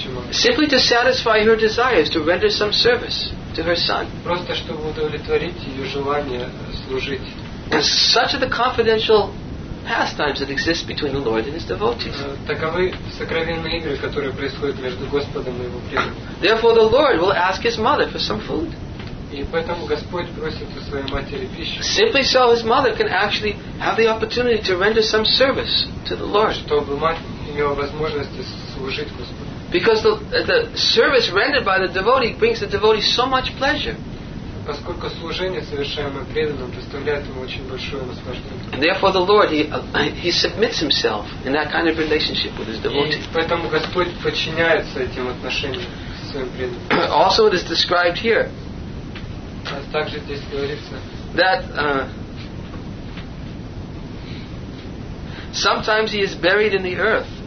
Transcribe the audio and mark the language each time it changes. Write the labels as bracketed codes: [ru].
[en] simply to satisfy her desires to render some service to her son. [ru] Просто чтобы удовлетворить ее желание служить. [en] And such are the confidential pastimes that exist between the Lord and his devotees. [ru] Таковы сокровенные игры, которые происходят между Господом и его преданными. [en] Therefore, the Lord will ask his mother for some food. [ru] И поэтому Господь просит у своей матери пищу. [en] Simply so his mother can actually have the opportunity to render some service to the Lord. [ru] Чтобы мать имела возможность служить Господу. [en] Because the service rendered by the devotee brings the devotee so much pleasure. [ru] Поскольку служение, совершаемое преданным, доставляет ему очень большое наслаждение. [en] And therefore the Lord, he submits himself in that kind of relationship with his devotee. [ru] И поэтому Господь подчиняется этим отношениям с своим преданным. [en] Also it is described here. [ru] Также здесь говорится. [en] That sometimes he is buried in the earth.